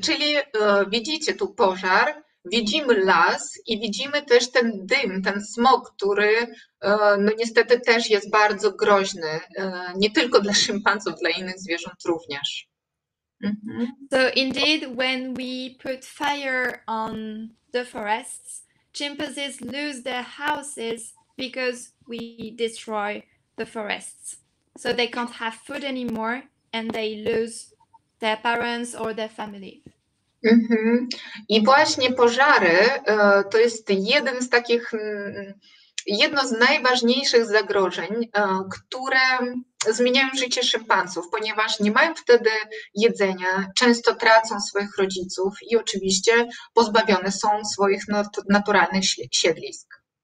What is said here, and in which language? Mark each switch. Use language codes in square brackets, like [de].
[pl] Czyli widzicie tu pożar, widzimy las i widzimy też ten dym, ten smog, który no niestety też jest bardzo groźny, nie tylko dla szympansów, dla innych zwierząt również. [en] So indeed, when we put fire on the forests, chimpanzees lose their houses because we destroy the forests. So they can't have food anymore and they lose their parents or their family. [pl] I właśnie pożary to jest jeden z takich, jedno z najważniejszych zagrożeń, które zmieniają życie szympansów, ponieważ nie mają wtedy jedzenia, często tracą swoich rodziców i oczywiście pozbawione są swoich naturalnych siedlisk.